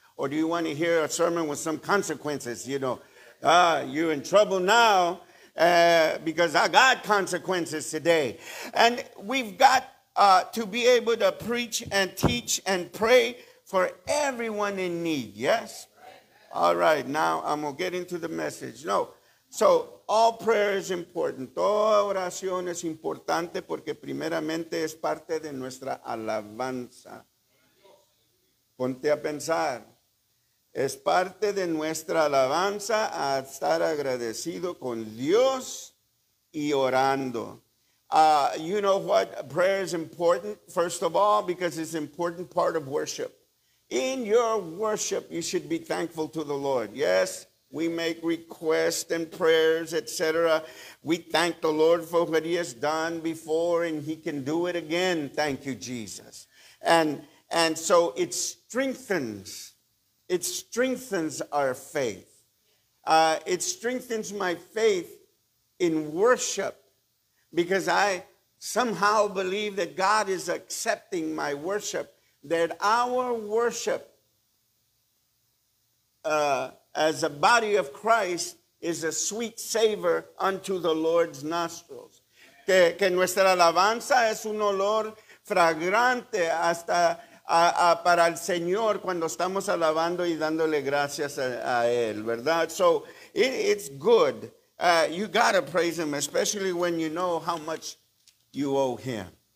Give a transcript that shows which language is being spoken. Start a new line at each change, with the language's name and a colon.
English: Or do you want to hear a sermon with some consequences? You know, you're in trouble now. Because I got consequences today. And we've got to be able to preach and teach and pray for everyone in need. Yes? All right, now I'm going to get into the message. No, so all prayer is important.
Spanish: Toda oración es importante porque primeramente es parte de nuestra alabanza. Ponte a pensar. Es parte de nuestra alabanza a estar agradecido con Dios y orando.
English: You know what? Prayer is important, first of all, because it's an important part of worship. In your worship, you should be thankful to the Lord. Yes, we make requests and prayers, etc. We thank the Lord for what he has done before, and he can do it again. Thank you, Jesus. And so it strengthens. It strengthens our faith. It strengthens my faith in worship because I somehow believe that God is accepting my worship, that our worship as a body of Christ is a sweet savor unto the Lord's nostrils.
Spanish: Que nuestra alabanza es un olor fragrante hasta para el Señor cuando estamos alabando y dándole gracias a él, ¿verdad?
English: So it's good. You got to praise him, especially when you know how much you owe him.